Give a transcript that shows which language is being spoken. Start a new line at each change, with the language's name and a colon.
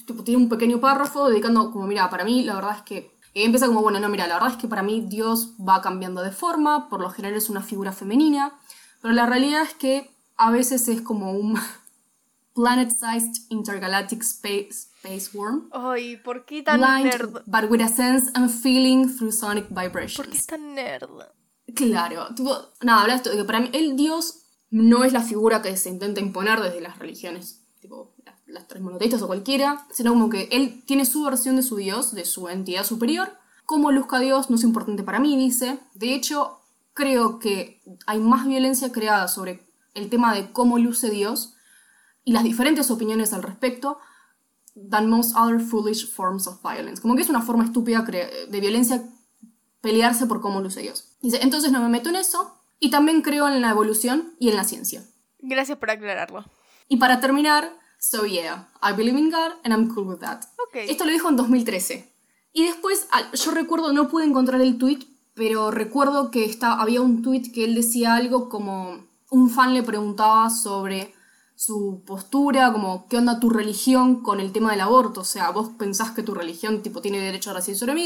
Spanish: tiene un pequeño párrafo dedicando como, mira, para mí la verdad es que... Y empieza como, bueno, no, mira, la verdad es que para mí Dios va cambiando de forma, por lo general es una figura femenina, pero la realidad es que a veces es como un
English: planet-sized intergalactic space worm.
Spanish: Ay, ¿por qué tan
English: blind, nerd? But with a sense and feeling through sonic vibrations.
Spanish: ¿Por qué tan nerd? Claro, tipo, nada, habla esto de que para mí el Dios no es la figura que se intenta imponer desde las religiones, tipo... las tres monoteístas o cualquiera, sino como que él tiene su versión de su Dios, de su entidad superior. Como luzca Dios no es importante para mí, dice. De hecho, creo que hay más violencia creada sobre el tema de cómo luce Dios y las diferentes opiniones al respecto
English: than most other foolish forms of violence.
Spanish: Como que es una forma estúpida de violencia pelearse por cómo luce Dios. Dice, entonces no me meto en eso y también creo en la evolución y en la ciencia. Gracias por aclararlo. Y para terminar...
English: So yeah, I believe in God and I'm cool with that.
Spanish: Okay. Esto lo dijo en 2013. Y después, yo recuerdo, no pude encontrar el tweet, pero recuerdo que había un tweet que él decía algo como... un fan le preguntaba sobre su postura, como qué onda tu religión con el tema del aborto. O sea, vos pensás que tu religión tipo tiene derecho a decidir sobre mí.